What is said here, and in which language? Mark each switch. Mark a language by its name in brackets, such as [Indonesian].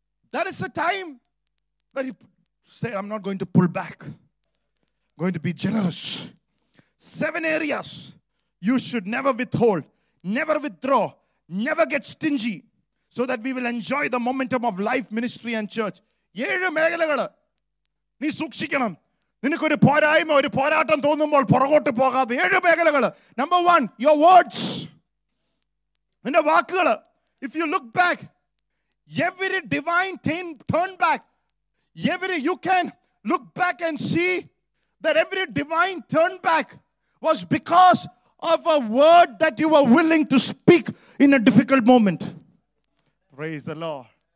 [English] That is the time that you say, I'm not going to pull back. I'm going to be generous. 7 areas you should never withhold, never withdraw, never get stingy, so that we will enjoy the momentum of life, ministry, and church. [Malayalam] 7 മേഖലകള് നീ സൂക്ഷിക്കണം. നിനക്ക് ഒരു പോരായ്മ, ഒരു പോരാട്ടം തോന്നുമ്പോൾ പുറകോട്ട് പോകാതെ. 7 മേഖലകള്. [English] Number 1, your words. [Malayalam] നിന്റെ വാക്കുകള്. [English] If you look back, every divine turn back. You can look back and see that every divine turn back was because of a word that you were willing to speak in a difficult moment. Praise the Lord.